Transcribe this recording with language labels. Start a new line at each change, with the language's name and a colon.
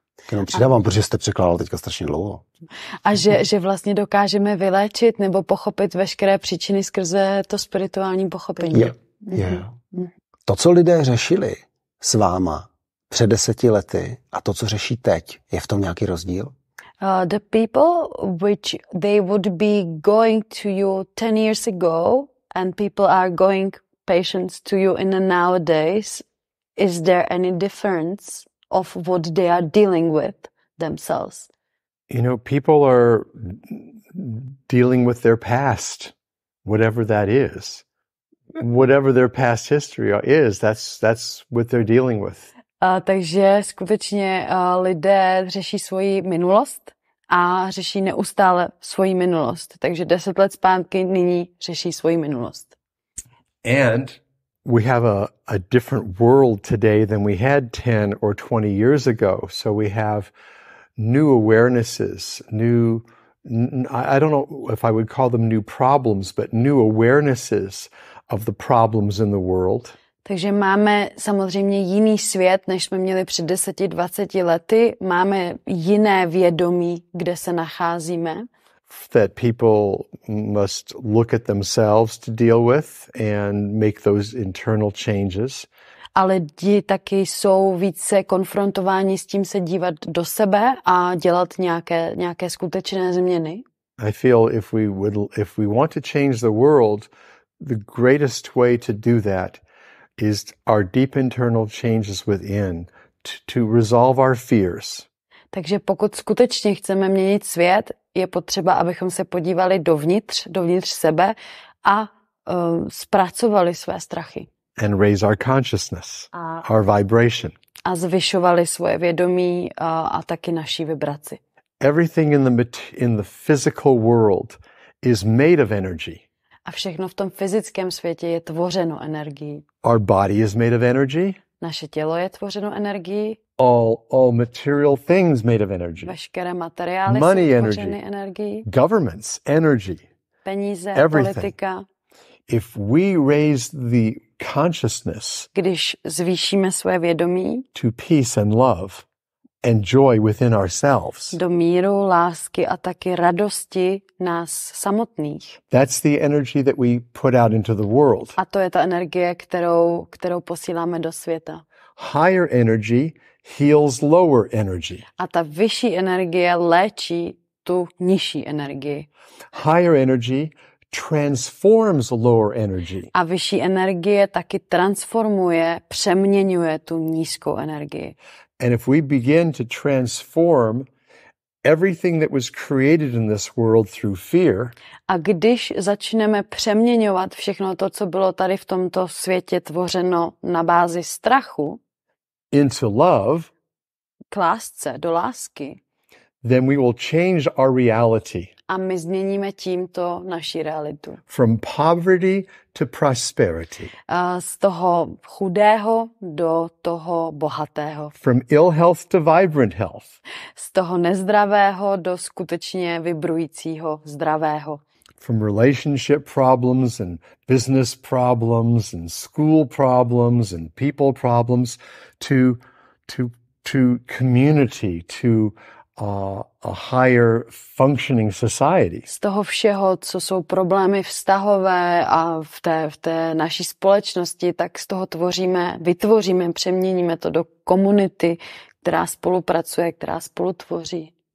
Czech: Jenom přidávám, protože jste překládal teďka strašně dlouho. A že vlastně dokážeme vyléčit nebo pochopit veškeré příčiny skrze to spirituální pochopení.
English: Yeah.
Czech: To, co lidé řešili s váma před 10 lety, a to, co řeší teď, je v tom nějaký rozdíl?
English: The people which they would be going to you 10 years ago and people are going patients to you in the nowadays, is there any difference of what they are dealing with themselves? You know, people are dealing with their past, whatever that is. Whatever their past history is, that's what they're dealing with.
Czech: Takže skutečně lidé řeší svoji minulost a řeší neustále svoji minulost. Takže 10 let zpátky, nyní řeší svoji minulost.
English: And we have a different world today than we had 10 or 20 years ago. So we have new awarenesses, new, I don't know if I would call them new problems, but new awarenesses of the problems in the world.
Czech: Takže máme samozřejmě jiný svět, než jsme měli před 10-20 lety. Máme jiné vědomí, kde se nacházíme.
English: That people must look at themselves to deal with and make those internal changes.
Czech: A lidi taky jsou více konfrontováni s tím se dívat do sebe a dělat nějaké skutečné změny.
English: I feel if we want to change the world, the greatest way to do that is our deep internal changes within to resolve our fears.
Czech: Takže pokud skutečně chceme měnit svět, je potřeba, abychom se podívali dovnitř sebe a zpracovali své strachy.
English: And raise our consciousness, our vibration.
Czech: A zvyšovali svoje vědomí a taky naší vibraci.
English: Everything in the physical world is made of energy.
Czech: A všechno v tom fyzickém světě je tvořeno energií.
English: Our body is made of energy.
Czech: Naše tělo je tvořeno energií.
English: All material things made of energy.
Czech: Veškeré materiály
English: Money
Czech: jsou
English: energy.
Czech: Tvořeny energií.
English: Governments, energy.
Czech: Peníze,
English: Everything.
Czech: Politika.
English: If we raise the consciousness,
Czech: když zvýšíme svoje vědomí,
English: to peace and love and joy within ourselves.
Czech: Do míru, lásky a taky radosti nás samotných.
English: That's the energy that we put out into the world.
Czech: A to je ta energie, kterou posíláme do světa.
English: Higher energy heals lower energy.
Czech: A ta vyšší energie léčí tu nižší energii.
English: Higher energy transforms lower energy.
Czech: A vyšší energie taky transformuje, přeměňuje tu nízkou energii.
English: And if we begin to transform everything that was created in this world through fear,
Czech: a když začneme přeměňovat všechno to, co bylo tady v tomto světě tvořeno na bázi strachu,
English: into love,
Czech: k lásce, do lásky,
English: then we will change our reality.
Czech: A my změníme tímto naši realitu.
English: From poverty to prosperity.
Czech: Z toho chudého do toho bohatého.
English: From ill health to vibrant health.
Czech: Z toho nezdravého do skutečně vibrujícího zdravého.
English: From relationship problems and business problems and school problems and people problems to community, to a higher functioning society.
Czech: Z toho všeho, co jsou problémy vztahové a v té naší společnosti, tak z toho vytvoříme, přeměníme to do komunity, která spolupracuje, která spolutvoří.